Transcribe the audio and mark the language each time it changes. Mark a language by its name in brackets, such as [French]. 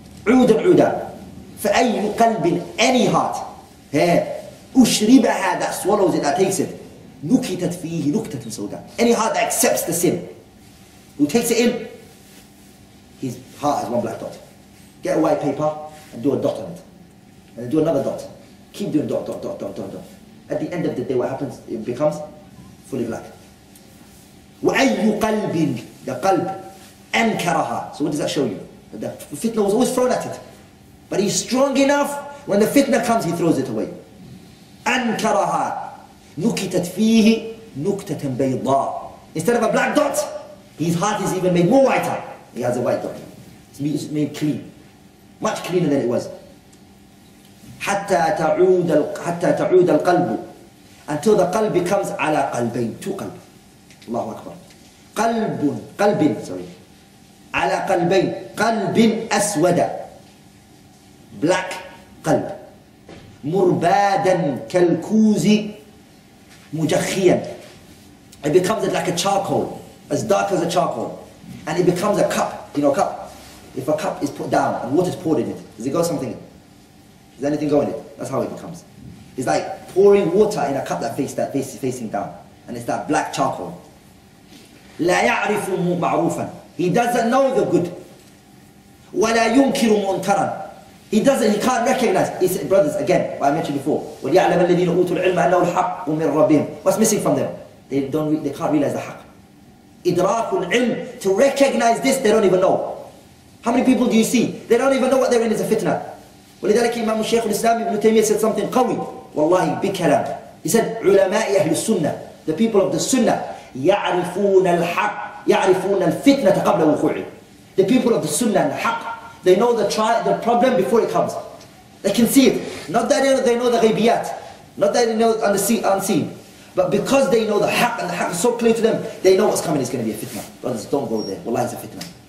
[Arabic] عُودًا عُودًا فَأَيُّ قَلْبٍ, [English] any heart, [Arabic] أُشْرِبَهَا, [English] that swallows it, that takes it, [Arabic] نُكِتَتْ فِيهِ نُكْتَةٌ سَوْدًا, [English] any heart that accepts the sin, who takes it in, his heart has one black dot. Get a white paper and do a dot on it. And then do another dot. Keep doing dot, dot, dot, dot, dot, dot. At the end of the day, what happens? It becomes fully black. [Arabic] وَأَيُّ قَلْبٍ, the قَلْب, أَنْكَرَهَا. [English] So what does that show you? That the fitna was always thrown at it. But he's strong enough, when the fitna comes, he throws it away. [Arabic] أَنْكَرَهَا نُكِتَتْ فِيهِ نُكْتَةً بَيْضًا. [English] Instead of a black dot, his heart is even made more whiter. He has a white dot. It's made clean. Much cleaner than it was. [Arabic] حَتَّى تَعُودَ الْقَلْبُ, [English] until the qalb becomes [Arabic] عَلَى قَلْبَيْن, [English] two qalb. Allahu Akbar. [Arabic] قَلْبٌ, قَلْبٍ, sorry. عَلَى قَلْبَيْن, قَلْبٍ أَسْوَدَ, [English] black qalb. [Arabic] مُرْبَادًا كَالْكُوزِ مُجَخِّيًا, [English] it becomes like a charcoal, as dark as a charcoal. And it becomes a cup, you know, a cup. If a cup is put down and water is poured in it, does it go something? Does anything go in it? That's how it becomes. It's like pouring water in a cup that face is facing down. And it's that black charcoal. [Arabic] لَا يَعْرِفُ مُعْرُوفًا, [English] he doesn't know the good. [Arabic] وَلَا يُنْكِرُ مُنْكَرًا, [English] he can't recognize. He said, brothers, again, what I mentioned before. [Arabic] وَلْيَعْلَمَ الَّذِينَ أُوتُوا الْعِلْمَ أَنَّهُ الْحَقُّ مِنْ رَبِّهِمْ, [English] what's missing from them? They can't realize the haqq. [Arabic] إِدْرَاكُ الْعِلْمِ, [English] to recognize this, they don't even know. How many people do you see? They don't even know what they're in is a fitna. [Arabic] ولذلك إمام الشيخ الإسلام ابن تيمية [English] said something [Arabic] قوي. والله بكلام. [English] He said, [Arabic] علماء أهل السنة, [English] the people of the sunnah, [Arabic] يعرفون الحق, يعرفون الفتنة قبل وقوعه. [English] The people of the sunnah and the haqq, they know the problem before it comes. They can see it. Not that they know the غيبيات. Not that they know unseen. But because they know the haqq, and the haqq is so clear to them, they know what's coming is going to be a fitna. Brothers, don't go there. Wallahi, it's a fitna.